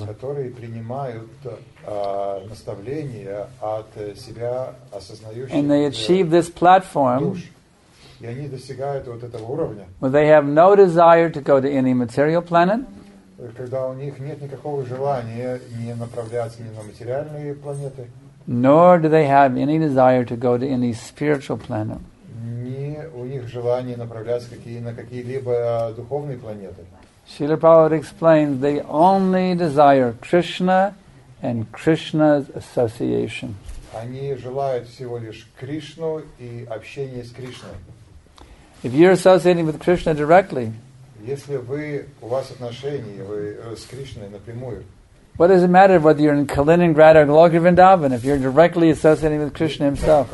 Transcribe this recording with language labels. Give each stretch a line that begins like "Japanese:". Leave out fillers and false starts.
English: And they achieve this platform where they have no desire to go to any material planet.
Russian: Когда у них нет никакого желания не направляться ни на материальные планеты.
English: Nor do they have any desire to go to any spiritual planet.
Russian: Не у них желание направляться на какие-либо духовные планеты.
English: Srila Prabhupada explains they only desire Krishna and Krishna's association.
Russian: Они желают всего лишь Кришну и общение с Кришной.
English: If you're associating with Krishna directly,
Russian: если вы, у вас отношения, вы с Кришной напрямую.
English: What does it matter whether you're in Kaliningrad or Golokya Vrindavan, if you're directly associating with Krishna himself?